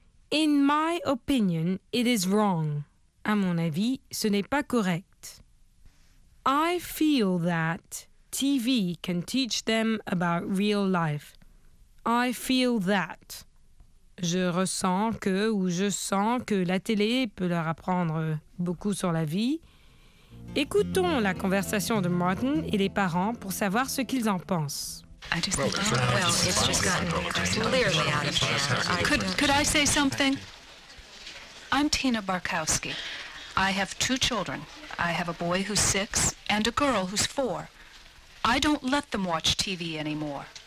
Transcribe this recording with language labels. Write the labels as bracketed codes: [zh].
[en] In my opinion, it is wrong. [fr] À mon avis, ce n'est pas correct. [en] I feel that TV can teach them about real life. I feel that. [fr] Je ressens que ou je sens que la télé peut leur apprendre beaucoup sur la vie. Écoutons la conversation de Martin et les parents pour savoir ce qu'ils en pensent. [en] I just think, well, it's just gotten clearly out of hand. Could I say something? I'm Tina Barkowski. I have two children. I have a boy who's 6 and a girl who's 4. I don't let them watch TV anymore.